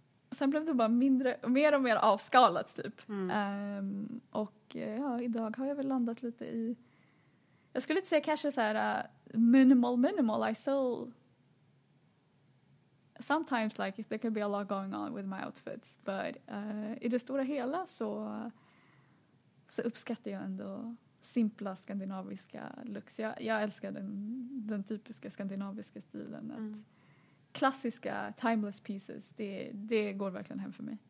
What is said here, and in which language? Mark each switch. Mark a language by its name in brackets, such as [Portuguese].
[Swedish] Sen blev det bara mindre och mer avskalat typ. Mm. Och ja, idag har jag väl landat lite i... Jag skulle inte säga kanske så här minimal. [English] I still... Sometimes like there could be a lot going on with my outfits. But [Swedish] i det stora hela så uppskattar jag ändå... simpla skandinaviska looks. Jag älskar den typiska skandinaviska stilen. Att klassiska, [English] timeless pieces, [Swedish] det går verkligen hem för mig.